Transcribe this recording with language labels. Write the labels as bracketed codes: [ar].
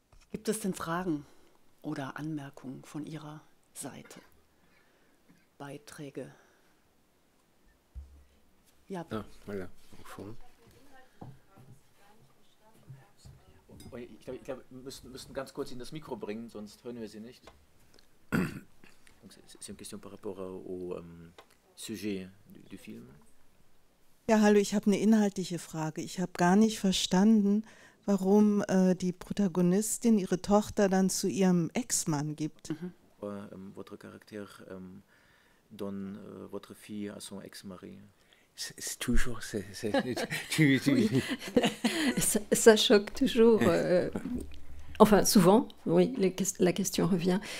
[de] Gibt es denn Fragen oder Anmerkungen von Ihrer Seite? Beiträge? Ja. Voilà. Ich glaube, wir müssen ganz kurz in das Mikro bringen, sonst hören wir sie nicht. [fr] C'est une question par rapport au sujet du film. [de] Ja, hallo, ich habe eine inhaltliche Frage. Ich habe gar nicht verstanden, warum die Protagonistin ihre Tochter dann zu ihrem Ex-Mann gibt. [fr] Votre caractère donne votre fille à son ex-mari. C'est toujours, c'est oui. ça choque toujours, enfin souvent, oui, la question revient.